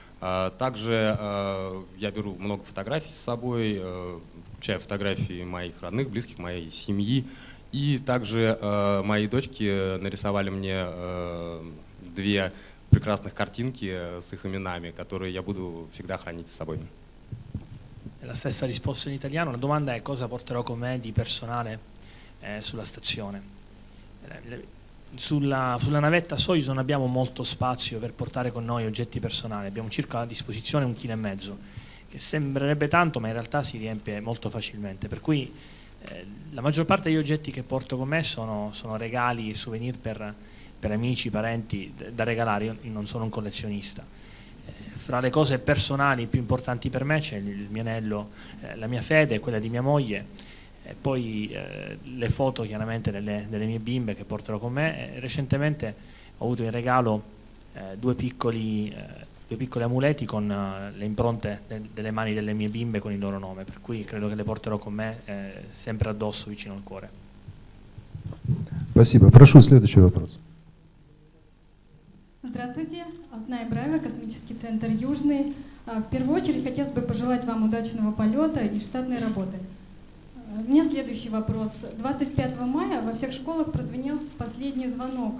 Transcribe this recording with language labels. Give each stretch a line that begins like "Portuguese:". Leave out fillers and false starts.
Russian: Также я беру много фотографий с собой, включая фотографии моих родных, близких, моей семьи. И также мои дочки нарисовали мне две прекрасных картинки с их именами, которые я буду всегда хранить с собой.
Italian: La stessa risposta in italiano. La domanda è: cosa porterò con me di personale sulla stazione? Sulla navetta Soyuz non abbiamo molto spazio per portare con noi oggetti personali. Abbiamo circa a disposizione 1,5 kg, che sembrerebbe tanto, ma in realtà si riempie molto facilmente. Per cui la maggior parte degli oggetti che porto con me sono regali e souvenir per amici, parenti da regalare. Io non sono un collezionista. Fra le cose personali più importanti per me c'è il mio anello, la mia fede, quella di mia moglie, e poi le foto chiaramente delle mie bimbe che porterò con me. Recentemente ho avuto in regalo due piccoli amuleti con le impronte delle mani delle mie bimbe con il loro nome, per cui credo che le porterò con me sempre addosso, vicino al cuore.
Russian: Спасибо. Прошу следующий вопрос. Здравствуйте. Алтная Брага, космический центр Южный. В первую очередь хотелось бы пожелать вам удачного полета и штатной работы. У меня следующий вопрос. 25 мая во всех школах прозвенел последний звонок.